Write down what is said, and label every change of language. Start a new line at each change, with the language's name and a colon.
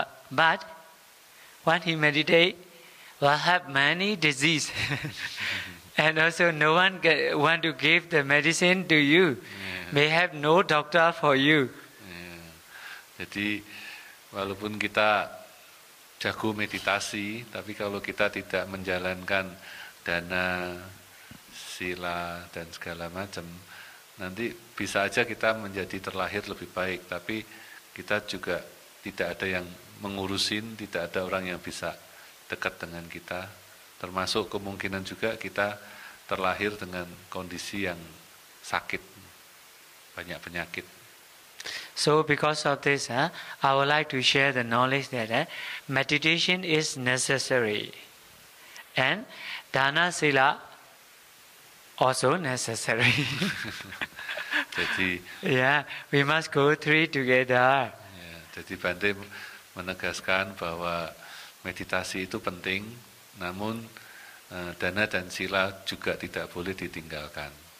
English: But when he meditate, will have many disease, and also no one want to give the medicine to you. May have no doctor for you.
Indonesian: Jadi walaupun kita jago meditasi, tapi kalau kita tidak menjalankan dana, sila dan segala macam, nanti bisa aja kita menjadi terlahir lebih baik, tapi kita juga tidak ada yang mengurusin, tidak ada orang yang bisa dekat dengan kita, termasuk kemungkinan juga kita terlahir dengan kondisi yang sakit, banyak penyakit.
English: So because of this, I would like to share the knowledge that meditation is necessary, and dana sila also necessary.
Indonesian: Jadi,
English: yeah, we must go three together. Yeah.
Indonesian: Jadi Bante menegaskan bahwa meditasi itu penting, namun dana dan sila juga tidak boleh ditinggalkan.